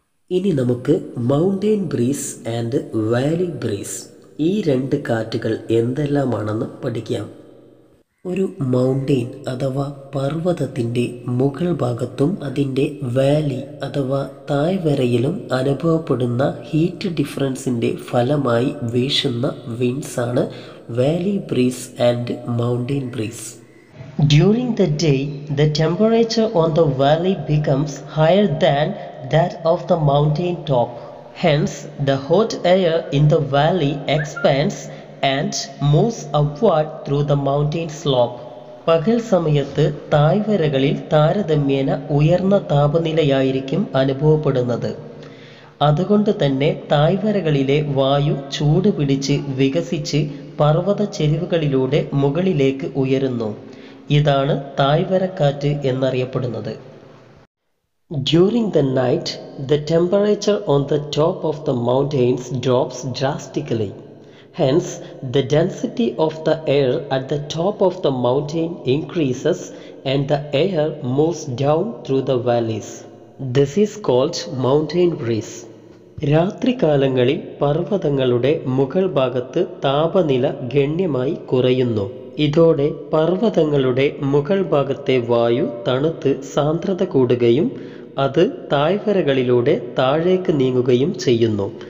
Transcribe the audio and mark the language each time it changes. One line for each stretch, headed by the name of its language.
Malayalam: ഇനി നമുക്ക് mountain breeze and Valley breeze ഈ രണ്ട് കാറ്റുകൾ എന്തെല്ലാമാണെന്ന് പഠിക്കാം. ഒരു മൗണ്ടെയിൻ അഥവാ പർവ്വതത്തിൻ്റെ മുകൾ ഭാഗത്തും അതിൻ്റെ വാലി അഥവാ താഴ്വരയിലും അനുഭവപ്പെടുന്ന ഹീറ്റ് ഡിഫറൻസിൻ്റെ ഫലമായി വീശുന്ന വിൻഡ്സാണ്
English: valley breeze and mountain breeze. During the day, the temperature on the valley becomes higher than that of the mountain top. Hence, the hot air in the valley expands and moves upward through the mountain slope.
Malayalam: പകൽ സമയത്ത് താഴ്വരകളിൽ താരതമ്യേന ഉയർന്ന താപനിലയായിരിക്കും അനുഭവപ്പെടുന്നത്. അതുകൊണ്ട് തന്നെ താഴ്വരകളിലെ വായു ചൂട് പിടിച്ച് വികസിച്ച് പർവ്വത ചെരിവുകളിലൂടെ മുകളിലേക്ക് ഉയരുന്നു. ഇതാണ് താഴ്വരക്കാറ്റ് എന്നറിയപ്പെടുന്നത്.
English: During the night, the temperature on the top of the mountains drops drastically. Hence, the density of the air at the top of the mountain increases and the air moves down through the valleys. This is called mountain breeze.
Malayalam: രാത്രികാലങ്ങളിൽ പർവ്വതങ്ങളുടെ മുകൾ ഭാഗത്ത് താപനില ഗണ്യമായി കുറയുന്നു. ഇതോടെ പർവ്വതങ്ങളുടെ മുകൾ ഭാഗത്തെ വായു തണുത്ത് സാന്ദ്രത കൂടുകയും അത് താഴ്വരകളിലൂടെ താഴേക്ക് നീങ്ങുകയും ചെയ്യുന്നു.